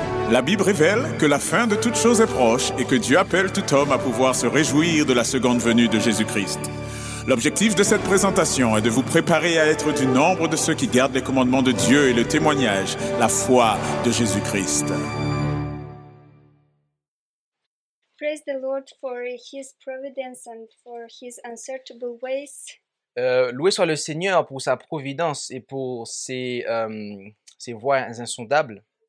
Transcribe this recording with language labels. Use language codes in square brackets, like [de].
[fr] La Bible révèle que la fin de toutes choses est proche et que Dieu appelle tout homme à pouvoir se réjouir de la seconde venue de Jésus-Christ. L'objectif de cette présentation est de vous préparer à être du nombre de ceux qui gardent les commandements de Dieu et le témoignage, la foi de Jésus-Christ. [en] Praise the Lord for His providence and for His unsearchable ways. [fr] Loué soit le Seigneur pour sa providence et pour ses, ses voies insondables.